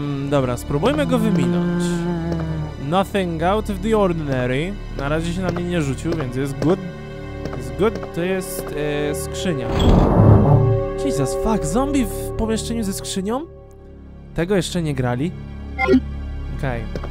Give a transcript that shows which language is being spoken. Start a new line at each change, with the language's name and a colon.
Polish: Dobra, spróbujmy go wyminąć.
English: Nothing out of the ordinary.
Polish: Na razie się na mnie nie rzucił, więc jest
English: good.
Polish: Jest
English: good,
Polish: to jest skrzynia.
English: Jesus, fuck,
Polish: zombie w pomieszczeniu ze skrzynią? Tego jeszcze nie grali? Okej.